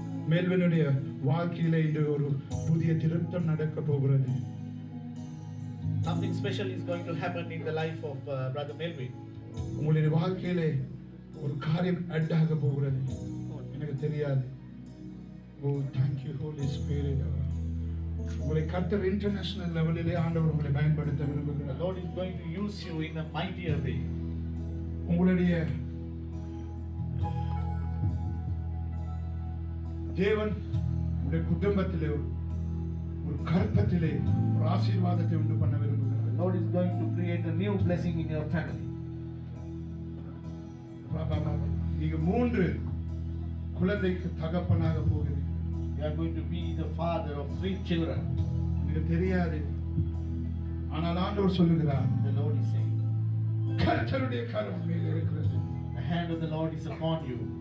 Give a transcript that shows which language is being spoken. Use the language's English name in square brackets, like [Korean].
[Tamil] மேல்வனுடைய வாழ்க்கையில இன்று ஒரு புதிய திருத்தம் நடக்க போகிறது. [English] Something special is going to happen in the life of brother Melvin. [Tamil] உங்களுடைய வாழ்க்கையில ஒரு காரியம் ஆட் ஆக போகிறது எனக்கு தெரியாது. [English] Oh, thank you, Holy Spirit. [Tamil] உங்களை கர்த்தர் இன்டர்நேஷனல் லெவலிலே ஆண்டவர் உங்களை பயன்படுத்த விரும்புகிறார். [English] Lord is going to use you in a mighty way. [Tamil] உங்களுடைய தேவன் குடும்பத்திலே ஒரு கற்பத்திலே ஒரு ஆசீர்வாதத்தை உண்டு பண்ண விரும்புகிறார். [English] Lord is going to create a new blessing in your family. [Tamil] நீங்க 3 குழந்தைக்கு தகப்பனாக போகிறீர்கள். [English] You are going to be the father of 3 children. [Tamil] உங்களுக்கு தெரியாது. ஆனால் ஆண்டவர் சொல்லுகிறார், [English] The Lord is saying, [Tamil] கர்த்தருடைய கரம் மேல் இருக்கிறது. [English] The hand of the Lord is upon you.